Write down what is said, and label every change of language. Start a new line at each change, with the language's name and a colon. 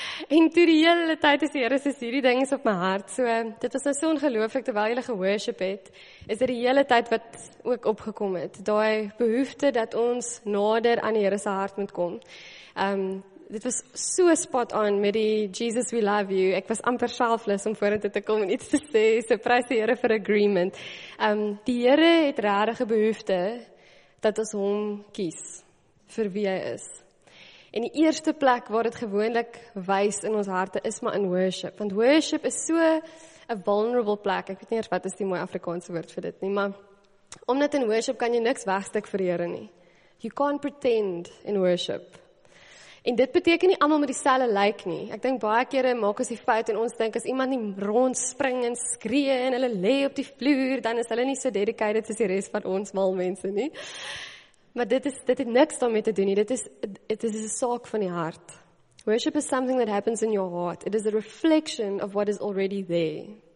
Afrikaans: En toe die hele tyd is die Here, soos hierdie ding is op my hart, so dit was nou so ongelooflik, terwyl julle geworship het, is dit die hele tyd wat ook opgekom het, daai behoefte dat ons nader aan die Here se hart moet kom. Dit was so spot on met die
English: Jesus we love you.
Afrikaans: Ek was amper selfless om voor te kom en iets te sê. So prys die Here vir agreement. Die Here het rarige behoefte dat ons hom kies vir wie hy is. En die eerste plek waar het gewoonlik wys in ons harte is maar in worship. Want worship is
English: so a vulnerable
Afrikaans: plek. Ek weet nie wat is die mooie Afrikaanse woord vir dit nie. Maar omdat in worship kan jy niks wegstik vir die Here nie.
English: You can't pretend in worship.
Afrikaans: En dit beteken nie allemaal met die selle lyk nie. Ek denk baie kere maak ons die fout en ons denk as iemand nie rond spring en skree en hulle lee op die vloer, dan is hulle nie so dedicated as die rest van ons mal mense nie. Maar dit het niks daarmee te doen nie. Dit is een saak van die hart.
English: Worship is something that happens in your heart. It is a reflection of what is already there.